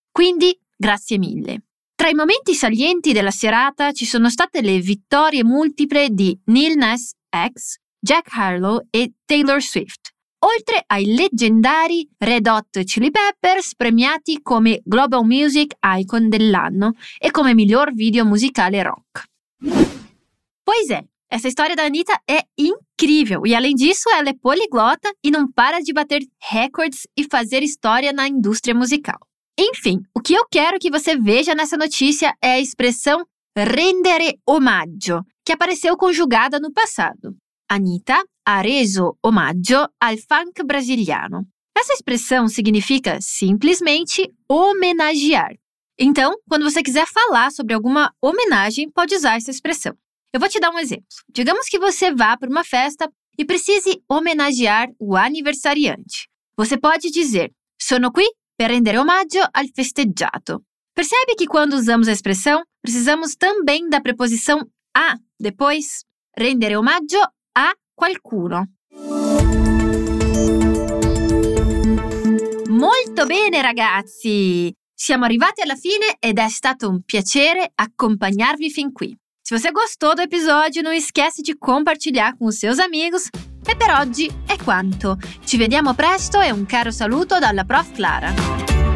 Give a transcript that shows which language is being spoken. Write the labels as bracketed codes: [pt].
[it] Quindi, grazie mille». Tra i momenti salienti della serata ci sono state le vittorie multiple di Lil Nas X, Jack Harlow e Taylor Swift, oltre ai leggendari Red Hot Chili Peppers premiati come Global Music Icon dell'anno e come miglior video musicale rock. [pt] Pois é, Essa história da Anitta é incrível. E além disso, ela é poliglota e não para de bater recordes e fazer história na indústria musical. Enfim, o que eu quero que você veja nessa notícia é a expressão rendere omaggio, que apareceu conjugada no passado. [it] Anitta ha reso omaggio al funk brasiliano. [pt] Essa expressão significa simplesmente homenagear. Então, quando você quiser falar sobre alguma homenagem, pode usar essa expressão. Eu vou te dar um exemplo. Digamos que você vá para uma festa e precise homenagear o aniversariante. Você pode dizer: [it] sono qui per rendere omaggio al festeggiato. [pt] Percebe que quando usamos a expressão, precisamos também da preposição a depois? [it] Rendere omaggio a qualcuno. Molto bene, ragazzi! Siamo arrivati alla fine ed è stato un piacere accompagnarvi fin qui. [pt] Se você gostou do episódio, não esquece de compartilhar com os seus amigos. [it] E per oggi è quanto. Ci vediamo presto e un caro saluto dalla Prof. Clara.